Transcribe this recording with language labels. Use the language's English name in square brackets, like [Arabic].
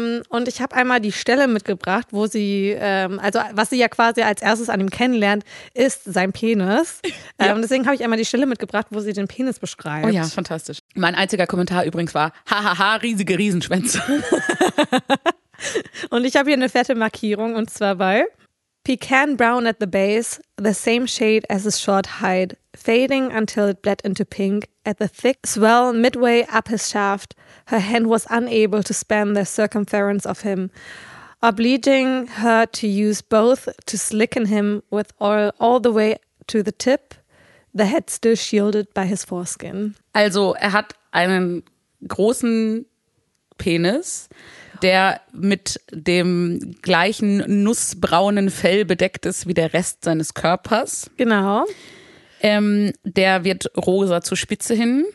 [German] Und ich habe einmal die Stelle mitgebracht, wo sie, also was sie ja quasi als erstes an ihm kennenlernt, ist sein Penis. Ja. Und deswegen habe ich einmal die Stelle mitgebracht, wo sie den Penis beschreibt. Oh ja, fantastisch. Mein einziger Kommentar übrigens war, hahaha, riesige Riesenschwänze. Und ich habe hier eine fette Markierung und zwar bei [English] Pecan brown at the base, the same shade as his short hide, fading until it bled into pink, at the thick swell midway up his shaft, her hand was unable to span the circumference of him, obliging her to use both to slicken him with oil all the way to the tip, the head still shielded by his foreskin. [German] Also, er hat einen großen Penis, der mit dem gleichen nussbraunen Fell bedeckt ist wie der Rest seines Körpers. Genau. Der wird rosa zur Spitze hin.